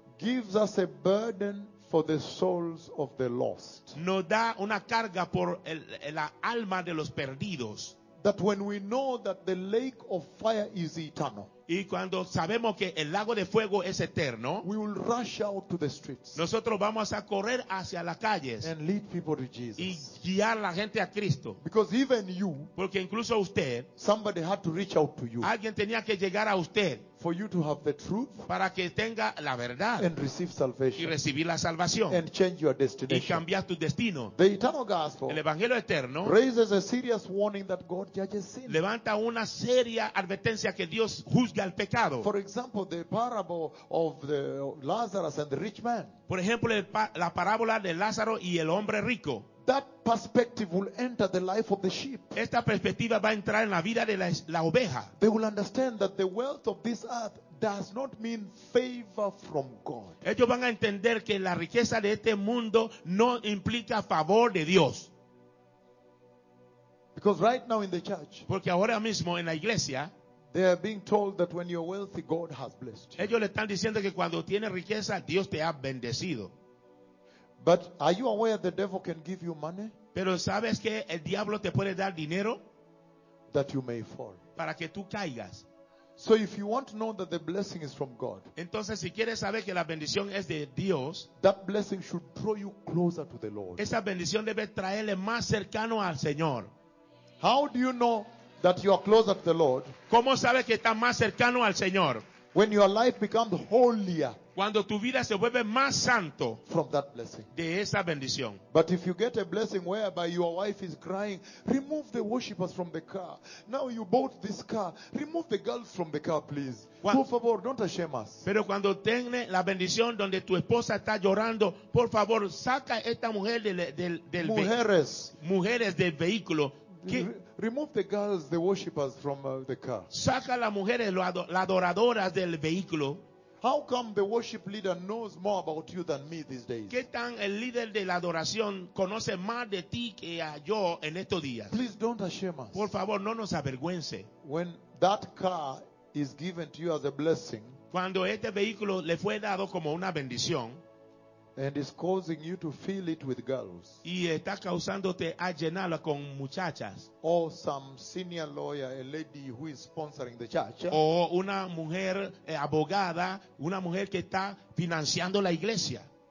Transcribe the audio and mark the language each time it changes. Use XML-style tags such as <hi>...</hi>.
<en>Gives us a burden for the souls of the lost.</en> <es>Nos da una carga por la alma de los perdidos.</es> <en>That when we know that the lake of fire is eternal.</en> <es>Y cuando sabemos que el lago de fuego es eterno,</es> <en>we will rush out to the streets.</en> <es>Nosotros vamos a correr hacia las calles.</es> <en>And lead people to Jesus.</en> <es>Y guiar la gente a Cristo.</es> <en>Because even you,</en> <es>porque incluso usted,</es> <en>somebody had to reach out to you.</en> <es>Alguien tenía que llegar a usted.</es> <en>For you to have the truth,</en> <es>para que tenga la verdad,</es> <en>and receive salvation,</en> <es>y recibir la salvación,</es> <en>and change your destination,</en> <es>y cambiar tu destino.</es> <en>The eternal gospel,</en> <es>el evangelio eterno,</es> <en>raises a serious warning that God judges sin.</en> <es>Levanta una seria advertencia que Dios juzga el pecado.</es> <en>For example, the parable of the Lazarus and the rich man.</en> <es>Por ejemplo, la parábola de Lázaro y el hombre rico.</es> <en>That perspective will enter the life of the sheep.</en> <es>Esta perspectiva va a entrar en la vida de la oveja.</es> <en>They will understand that the wealth of this earth does not mean favor from God.</en> <es>Ellos van a entender que la riqueza de este mundo no implica favor de Dios.</es> <en>Because right now in the church,</en> <es>porque ahora mismo en la iglesia,</es> <en>they are being told that when you're wealthy, God has blessed you.</en> <es>Ellos le están diciendo que cuando tienes riqueza, Dios te ha bendecido.</es> <en>But are you aware the devil can give you money?</en> <es>Pero sabes que el diablo te puede dar dinero?</es> <en>That you may fall.</en> <es>Para que tú caigas.</es> <en>So if you want to know that the blessing is from God,</en> <es>entonces si quieres saber que la bendición es de Dios,</es> <en>that blessing should draw you closer to the Lord.</en> <es>Esa bendición debe traerle más cercano al Señor.</es> <en>How do you know that you are closer to the Lord.</en> <es>¿Cómo sabes que estás más cercano al Señor?</es> <en>When your life becomes holier.</en> <es>Cuando tu vida se vuelve más santo.</es> <en>From that blessing.</en> <es>De esa bendición.</es> <en>But if you get a blessing whereby your wife is crying, remove the worshippers from the car. Now you bought this car. Remove the girls from the car, please.</en> <es>Por favor,</es> <en>don't shame us.</en> <es>Pero cuando tiene la bendición donde tu esposa está llorando, por favor, saca esta mujer del mujeres. Mujeres del vehículo.</es> <en>Remove the girls, the worshippers from the car.</en> <es>Saca las mujeres, las adoradoras del vehículo.</es> <en>How come the worship leader knows more about you than me these days?</en> <es>¿Qué tan el líder de la adoración conoce más de ti que a yo en estos días?</es> <en>Please don't shame us.</en> <es>Por favor, no nos avergüence.</es> <en>When that car is given to you as a blessing,</en> <es>cuando este vehículo le fue dado como una bendición,</es> <en>and is causing you to fill it with girls.</en> <es>Y está causándote a llenarla con muchachas.</es> <en>Or some senior lawyer, a lady who is sponsoring the church.</en> <es>O una mujer abogada, una mujer que está financiando la iglesia.</es>